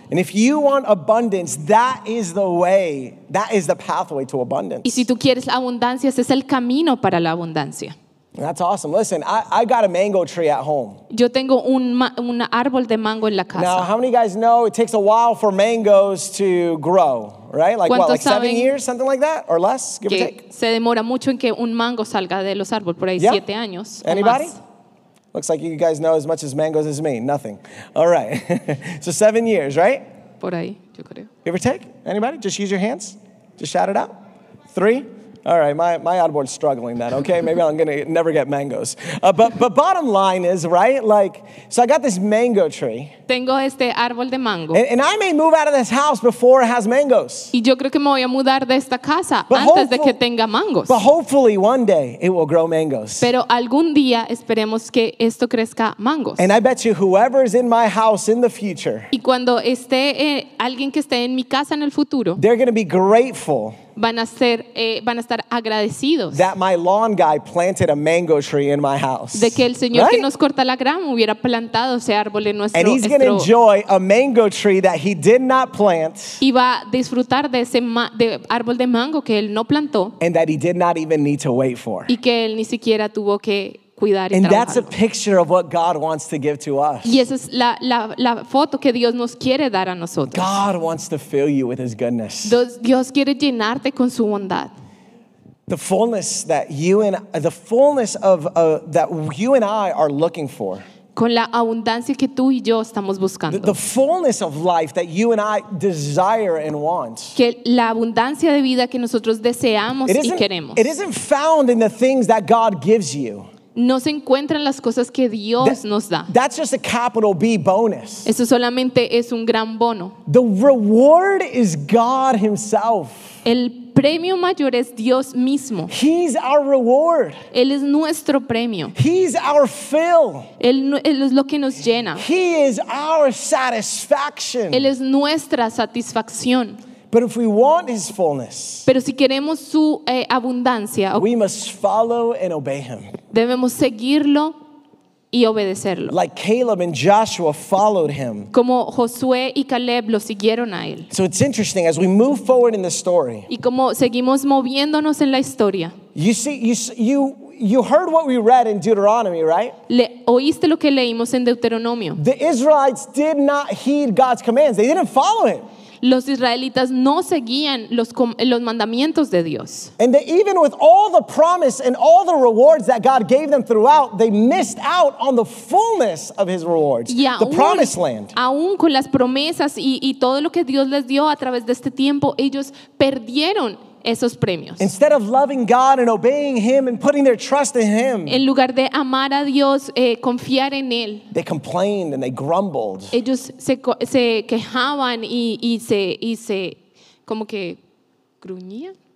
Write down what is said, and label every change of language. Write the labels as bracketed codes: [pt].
[en] And if you want abundance, that is the way. That is the pathway to abundance. [es] Y si tú quieres abundancia, ese es el camino para la abundancia. [en] That's awesome. Listen, I got a mango tree at home. [es] Yo tengo un árbol de mango en la casa. [en] Now, how many guys know it takes a while for mangoes to grow, right? Like what, like 7 years, something like that, or less, give or take? [es] Se demora mucho en que un mango salga de los árboles, por ahí [en] yeah. [es] 7 años. [en] Anybody? [es] O más. [en] Looks like you guys know as much as mangoes as me. Nothing. All right. So 7 years, right? [es] Por ahí, yo creo. [en] Give or take? Anybody? Just use your hands. Just shout it out. 3. All right, my oddboard's struggling then, okay? Maybe I'm going to never get mangoes. But bottom line is, right, like, so I got this mango tree. [es] Tengo este árbol de mango. [en] And I may move out of this house before it has mangoes. [es] Y yo creo que me voy a mudar de esta casa antes de que tenga mangos. [en] But hopefully one day it will grow mangoes. [es] Pero algún día esperemos que esto crezca mangos. [en] And I bet you whoever's in my house in the future. [es] Y cuando esté alguien que esté en mi casa en el futuro. [en] They're going to be grateful. [es] Van a estar agradecidos. [en] That my lawn guy planted a mango tree in my house. [es] De que el señor right? que nos corta la grama hubiera plantado ese árbol en nuestro. [en] And he's going to enjoy a mango tree that he did not plant. [es] Y va a disfrutar de ese de árbol de mango que él no plantó. [en] And that he did not even need to wait for. [es] Y que él ni siquiera tuvo que cuidar y [en] and that's a picture of what God wants to give to us. [es] Y esa es la foto que Dios nos quiere dar a nosotros. [en] God wants to fill you with his goodness. [es] Dios quiere llenarte con su bondad. [en] The fullness that you and the fullness of that you and I are looking for. [es] Con la abundancia que tú y yo estamos buscando. [en] The fullness of life that you and I desire and want. [es] Que la abundancia de vida que nosotros deseamos y queremos. [en] It isn't found in the things that God gives you. [es] No se encuentran las cosas que Dios nos da. [en] That's just a capital B bonus. [es] Eso solamente es un gran bono. [en] The reward is God himself. [es] El premio mayor es Dios mismo. [en] He's our reward. [es] Él es nuestro premio. [en] He's our fill. [es] Él es lo que nos llena. [en] He is our satisfaction. [es] Él es nuestra satisfacción. [en] But if we want his fullness, [es] pero si queremos su abundancia, [en] we must follow and obey him. [es] Debemos seguirlo y obedecerlo. [en] Like Caleb and Joshua followed him. [es] Como Josué y Caleb lo siguieron a él. [en] So it's interesting as we move forward in the story. [es] Y como seguimos moviéndonos en la historia. [en] You heard what we read in Deuteronomy, right? [es] ¿Oíste lo que leímos en Deuteronomio? [en] The Israelites did not heed God's commands. They didn't follow him. [es] los israelitas no seguían los mandamientos de Dios. [en] And they, even with all the promise and all the rewards that God gave them throughout, they missed out on the fullness of his rewards, [es] aún, [en] the promised land. [es] Aún con las promesas y todo lo que Dios les dio a través de este tiempo, ellos perdieron esos premios. [en] Instead of loving God and obeying him and putting their trust in him, [es] en lugar de amar a Dios, confiar en él, [en] they complained and they grumbled. [es] Ellos se quejaban y se como que gruñían.